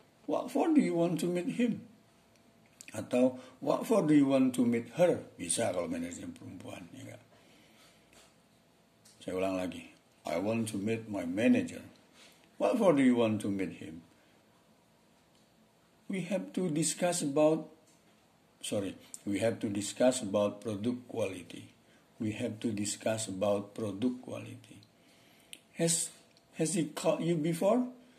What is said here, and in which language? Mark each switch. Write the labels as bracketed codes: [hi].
[en] What for do you want to meet him? Atau what for do you want to meet her? [id] Bisa kalau manajernya perempuan, ya enggak? Saya ulang lagi. [en] I want to meet my manager. What for do you want to meet him? We have to discuss about product quality. We have to discuss about product quality. Has he called you before?